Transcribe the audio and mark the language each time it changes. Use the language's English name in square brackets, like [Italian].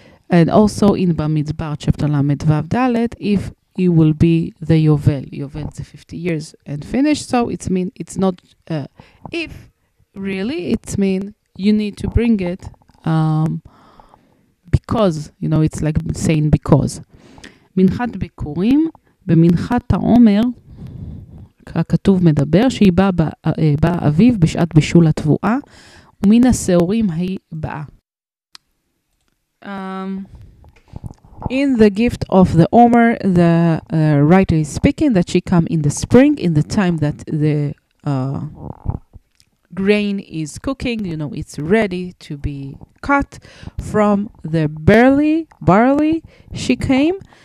[English] And also in Bamidbar chapter Lamed Vav Dalet, if it will be the Yovel. Yovel is 50 years and finished. So it's mean it's not, if really it's mean you need to bring it because, you know, it's like saying because. [Hebrew] מנחת ביקורים, במנחת העומר, הכתוב מדבר, שהיא באה בא אביב בשעת בישול התבועה, ומן הסעורים היא באה. [English] In the gift of the Omer, the writer is speaking that she come in the spring, in the time that the grain is cooking, you know, it's ready to be cut from the barley she came.